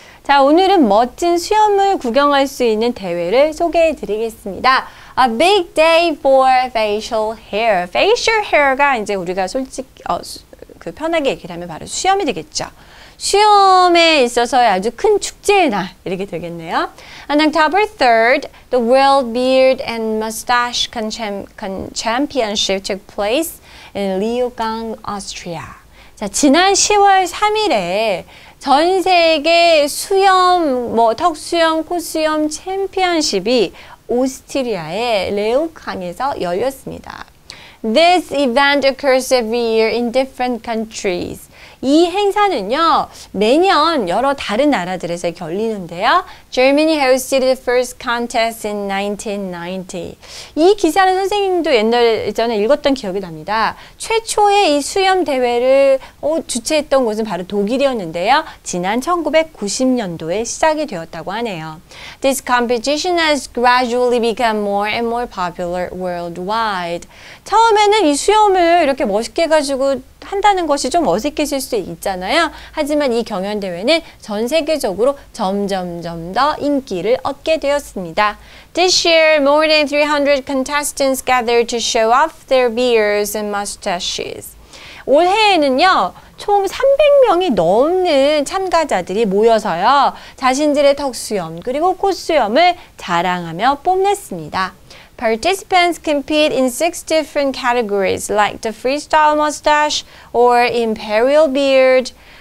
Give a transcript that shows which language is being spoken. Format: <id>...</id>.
<ko>자, 오늘은 멋진 수염을 구경할 수 있는 대회를 소개해 드리겠습니다.</ko> <en>A big day for facial hair.</en> <ko>Facial hair가 이제 우리가 솔직히 편하게 얘기를 하면 바로 수염이 되겠죠. 수염에 있어서 아주 큰 축제의 날, 이렇게 되겠네요.</ko> <en>And October 3rd, the World Beard and Mustache Championship took place in Liugang, Austria.</en> <ko>자, 지난 10월 3일에 전 세계 수염, 뭐 턱수염, 코수염 챔피언십이 오스트리아의 레우강에서 열렸습니다.</ko> <en>This event occurs every year in different countries.</en> <ko>이 행사는요, 매년 여러 다른 나라들에서 열리는데요.</ko> <en>Germany hosted the first contest in 1990.</en> <ko>이 기사는 선생님도 예전에 읽었던 기억이 납니다. 최초의 이 수염 대회를 주최했던 곳은 바로 독일이었는데요. 지난 1990년도에 시작이 되었다고 하네요.</ko> <en>This competition has gradually become more and more popular worldwide.</en> <ko>처음에는 이 수염을 이렇게 멋있게 가지고 한다는 것이 좀 어색해질 수 있잖아요. 하지만 이 경연 대회는 전 세계적으로 점점 더 인기를 얻게 되었습니다.</ko> <en>This year, more than 300 contestants gathered to show off their beards and mustaches.</en> <ko>올해에는요, 총 300명이 넘는 참가자들이 모여서요, 자신들의 턱수염 그리고 콧수염을 자랑하며 뽐냈습니다.</ko> <en>Participants compete in 6 different categories like the freestyle mustache or imperial beard.</en>